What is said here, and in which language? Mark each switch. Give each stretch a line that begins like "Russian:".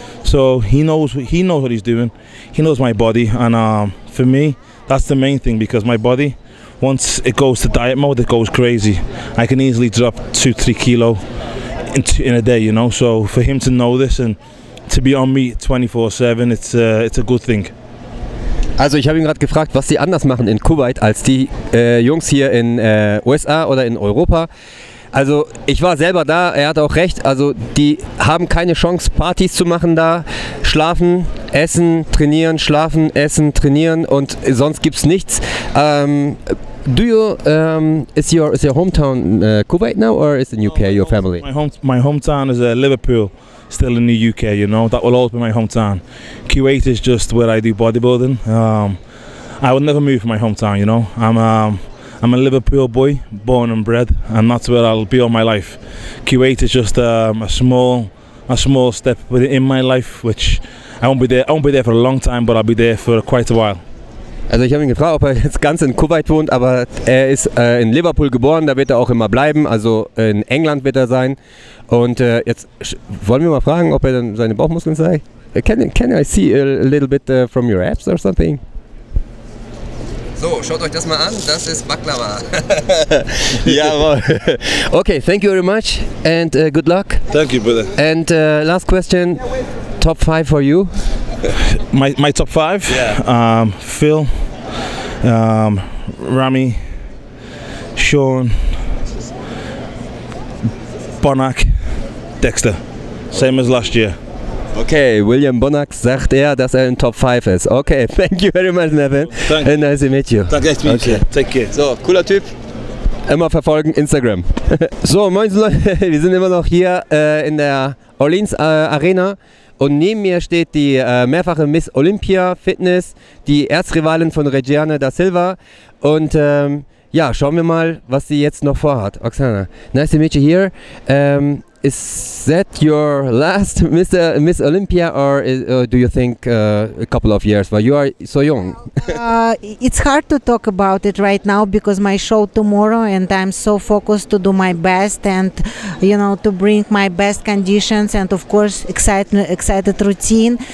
English: So he knows what he's doing. He knows my body, and for me, that's the main thing, because my body, once it goes to diet mode, it goes crazy. I can easily drop 2-3 kilo in a day, you know. So for him to know this and to be on me 24/7, it's a good thing.
German: Also ich habe ihn gerade gefragt, was sie anders machen in Kuwait als die Jungs hier in USA oder in Europa. Also ich war selber da, er hat auch recht, also die haben keine Chance, Partys zu machen da. Schlafen, essen, trainieren, schlafen, essen, trainieren, und sonst gibt's nichts.
English: Is your hometown Kuwait now, or is it in UK, no, your family? My hometown is Liverpool. Still in the UK, you know, that will always be my hometown. Kuwait is just where I do bodybuilding. I would never move from my hometown, you know. I'm a Liverpool boy, born and bred, and that's where I'll be all my life. Kuwait is just a small step in my life, which I won't be there for a long time, but I'll be there for quite a while.
German: Also ich habe ihn gefragt, ob er jetzt ganz in Kuwait wohnt, aber er ist in Liverpool geboren, da wird er auch immer bleiben, also in England wird er sein. Und jetzt wollen wir mal fragen, ob er dann seine Bauchmuskeln sei.
English: Can I see a little bit from your abs or something?
German: So, schaut euch das mal an, das ist Baklava. Jawohl.
English: Okay, thank you very much and good luck. Thank you, brother. And last question, top 5 for you. My top 5? Yeah. Phil, Rami, Sean, Bonac, Dexter. Same as last year.
German: Okay, William Bonac sagt er, dass er in Top 5 ist.
English: Okay, thank you very much, Nathan.
German: Danke.
English: And nice to meet you.
German: Danke, echt,
English: okay. Take care.
German: So, cooler Typ. Immer verfolgen, Instagram. So, moin Leute, wir sind immer noch hier in der Orleans Arena. Und neben mir steht die mehrfache Miss Olympia Fitness, die Erzrivalin von Regiane da Silva. Und ja, schauen wir mal, was sie jetzt noch vorhat.
English: Oksana, nice to meet you here. Is that your last Miss Olympia, or do you think a couple of years? But you are so young. It's hard to talk about it right now because my show tomorrow, and I'm so focused to do my best and, you know, to bring my best conditions and, of course, excited routine.